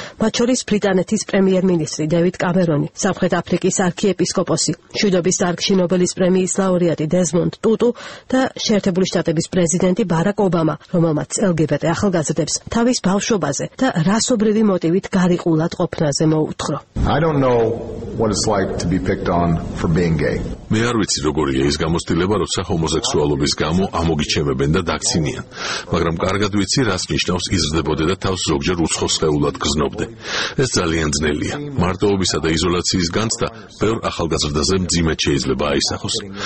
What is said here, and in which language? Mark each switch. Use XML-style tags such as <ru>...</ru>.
<ka>მათ შორის ბრიტანეთის პრემიერ-მინისტრი დევიდ კამერონი, სამხრეთ აფრიკის არქიეპისკოპოსი, მშვიდობის დარგში ნობელის პრემიის ლაურეატი დეზმონდ ტუტუ და შეერთებული შტატების პრეზიდენტი ბარაკ ობამა, რომელმაც LGBT ახალგაზრდებს თავის ბავშვობაზე და რასობრივი მოტივით გარიყულად ყოფნაზე მოუთხრო.</ka> <en>I don't know what it's like to be picked on for being gay.</en> <ka>მე არ ვიცი როგორია ის გამოცდილება, როცა ჰომოსექსუალობის გამო ამოგიჩემებენ და დაქცინიან, მაგრამ კარგად ვიცი, რას ნიშნავს იზრდებოდე და თავს ზოგჯერ უცხო სხეულად გრძნობდე. ეს ძალიან ძნელია. მარტოობისა და იზოლაციის განცდა ბევრ ახალგაზრდაზე მძიმედ შეიძლება აისახოს.</ka>